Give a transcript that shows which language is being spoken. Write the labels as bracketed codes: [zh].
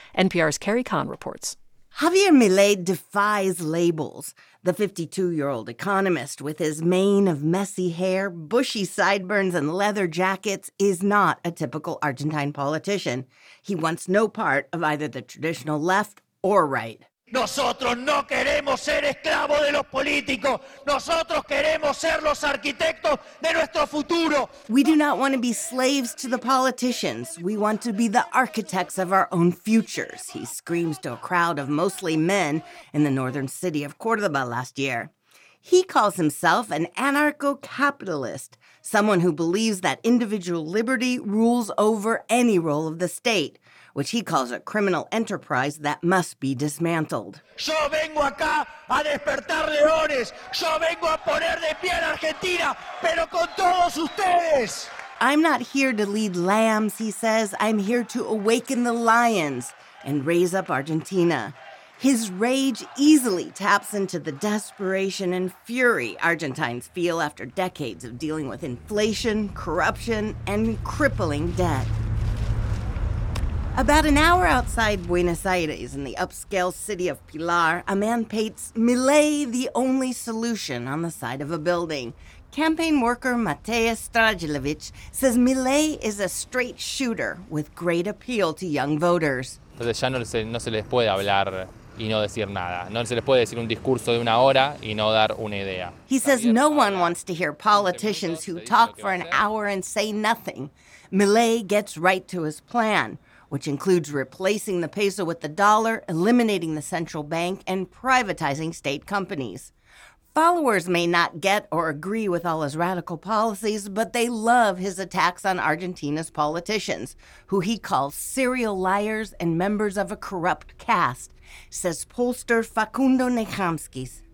[en] NPR's Carrie Kahn reports. Javier Milei defies labels. The 52-year-old economist with his mane of messy hair, bushy sideburns, and leather jackets is not a typical Argentine politician. He wants no part of either the traditional left or right. [es] Nosotros no queremos ser esclavos de los políticos. Nosotros queremos ser los arquitectos de nuestro futuro. [en] We do not want to be slaves to the politicians. We want to be the architects of our own futures, he screams to a crowd of mostly men in the northern city of Córdoba last year. He calls himself an anarcho-capitalist, someone who believes that individual liberty rules over any role of the state, which he calls a criminal enterprise that must be dismantled. [es] Yo vengo acá a despertar leones. Yo vengo a poner de pie en Argentina, pero con todos ustedes. [en] I'm not here to lead lambs, he says. I'm here to awaken the lions and raise up Argentina. His rage easily taps into the desperation and fury Argentines feel after decades of dealing with inflation, corruption, and crippling debt. About an hour outside Buenos Aires in the upscale city of Pilar, a man paints Milei the only solution on the side of a building. Campaign worker Mateo Strajilovic says Milei is a straight shooter with great appeal to young voters. [es] Entonces ya no se les puede hablar y no decir nada. No se les puede decir un discurso de una hora y no dar una idea. [en] He says no one wants to hear politicians who talk for an hour and say nothing. Milei gets right to his plan, which includes replacing the peso with the dollar, eliminating the central bank, and privatizing state companies. Followers may not get or agree with all his radical policies, but they love his attacks on Argentina's politicians, who he calls serial liars and members of a corrupt caste, says pollster Facundo Nejamskis.